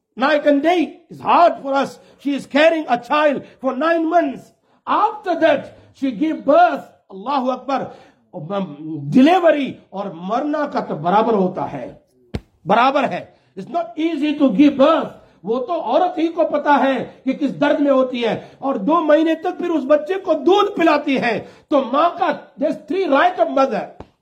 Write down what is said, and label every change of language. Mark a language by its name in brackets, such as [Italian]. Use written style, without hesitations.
[English] Night and day is hard for us. She is carrying a child for 9 months. After that, she gave birth. Allahu Akbar. [Hindi] Delivery or marna ka to barabar hota hai. Barabar hai. [English] It's not easy to give birth. [Hindi] वो तो औरत ही को पता है कि किस दर्द में होती है. और 2 महीने तक फिर उस बच्चे को दूध पिलाती है. तो माँ का [English] three rights of mother.